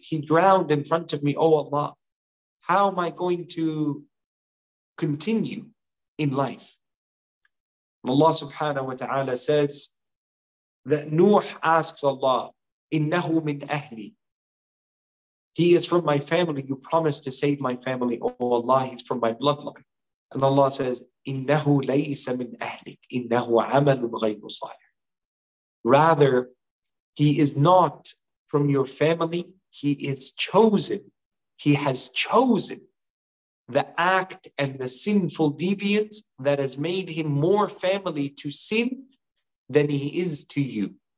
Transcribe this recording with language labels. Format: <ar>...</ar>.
<en>He drowned in front of me, oh Allah. How am I going to continue in life? And Allah subhanahu wa ta'ala says that Nuh asks Allah,</en> <ar>Innahu min ahli.</ar> <en>He is from my family. You promised to save my family, oh Allah. He's from my bloodline.</en> <ar>And Allah says, إِنَّهُ لَيْسَ مِنْ أَهْلِكَ إِنَّهُ عَمَلٌ غَيْرُ صَالِحٍ.</ar> <en>Rather, he is not from your family. He is chosen. He has chosen the act and the sinful deviance that has made him more family to sin than he is to you.</en>